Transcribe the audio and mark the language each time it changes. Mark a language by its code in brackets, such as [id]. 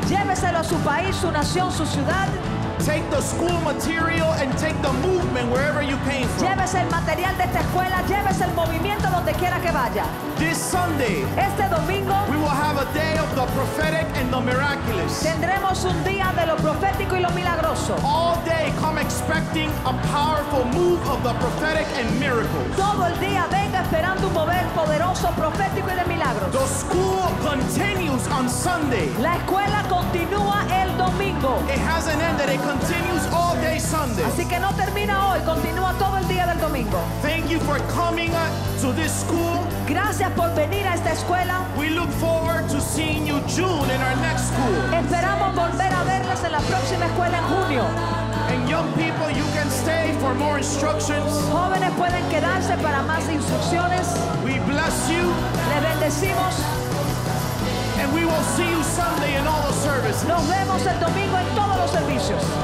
[es] Lléveselo a su país, su nación, su ciudad. [en] Take the school material and take the movement wherever you came from. [es] Llévese el material de esta escuela, llévese el movimiento donde quiera que vaya. [en] This Sunday, [es] este domingo, [en] we will have a day of the prophetic and the miraculous. [es] Tendremos un día de lo profético y lo milagroso. [en] All day, come expecting a powerful move of the prophetic and miracles. [es] Todo el día, venga esperando un mover poderoso, profético y de milagros. [en] The school continues on Sunday. [es] La escuela continúa el domingo. [en] It hasn't ended. It continues all day Sunday. [es] Así que no termina hoy, continúa todo el día del domingo. [en] Thank you for coming to this school. [es] Gracias por venir a esta escuela. [en] We look forward to seeing you June in our next school. [es] Esperamos volver a verlas en la próxima escuela en junio. [en] And young people, you can stay for more instructions. [es] Jóvenes pueden quedarse para más instrucciones. [en] We bless you. [es] Les bendecimos. [en] And we will see you Sunday in all the services. [es] Nos vemos el domingo en todos los servicios.